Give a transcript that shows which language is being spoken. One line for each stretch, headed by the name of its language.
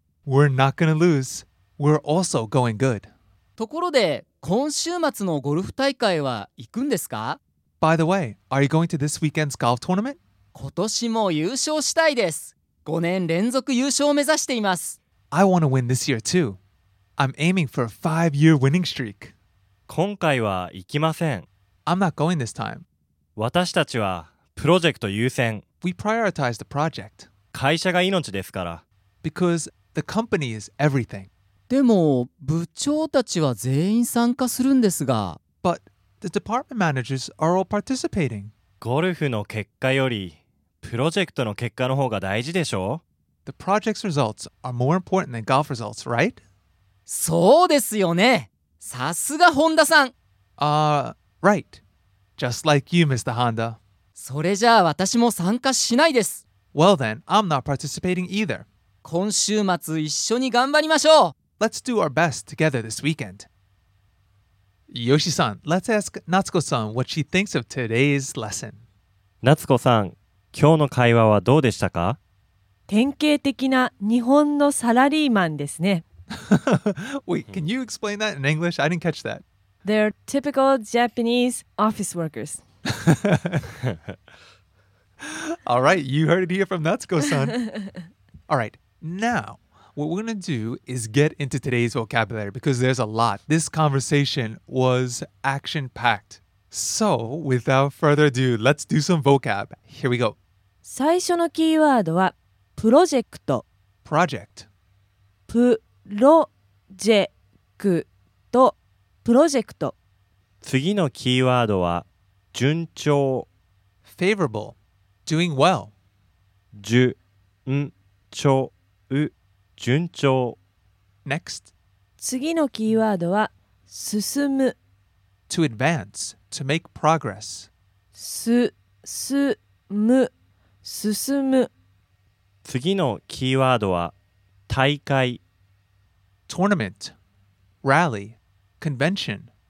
English: We're not gonna lose. We're also going good.
Japanese: ところで今週末のゴルフ大会は行くんですか？
English: By the way, are you going to this weekend's golf tournament?
Japanese: 今年も優勝したいです。5年連続優勝を目指しています。
English: I want to win this year too. I'm aiming for a 5-year winning streak.
Japanese: 今回は行きません。
English: I'm not going this time.
Japanese: 私たちはプロジェクト優先。
English: We prioritize the project.
Japanese: 会社が命ですから。
English: Because the company is everything.
Japanese: でも部長たちは全員参加するんですが。
English: But the department managers are all participating.
Japanese: ゴルフの結果よりプロジェクトの結果の方が大事でしょう。
English: The project's results are more important than golf results, right?
Japanese: そうですよね。さすが本田さん。
English: Right. Just like you, Mr. Honda.
Japanese: それじゃあ私も参加しないです。
English: Well then, I'm not participating either.
Japanese: 今週末一緒に頑張りましょう。
English: Let's do our best together this weekend. Yoshi-san, let's ask Natsuko-san what she thinks of today's lesson.
Japanese: Natsuko-san, 今日の会話はどうでしたか？典型的な日本のサラリーマンですね。
English: Wait, can you explain that in English? I didn't catch that. They're typical Japanese office workers. All right, you heard it here from Natsuko-san. All right, now... What we're going to do is get into today's vocabulary because there's a lot. This conversation was action-packed. So, without further ado, let's do some vocab. Here we go.
Japanese: 最初のキーワードはプロジェクト。
English: Project.
Japanese: プロジェクト。プロジェクト。次のキーワードは順調。
English: Favorable. Doing well.
Japanese: 順調。順調。
English: Next.
Japanese: 次のキーワードは進む。
English: To advance, to make progress.
Japanese: 進む。次のキーワードは大会。
English: Tournament, rally, convention.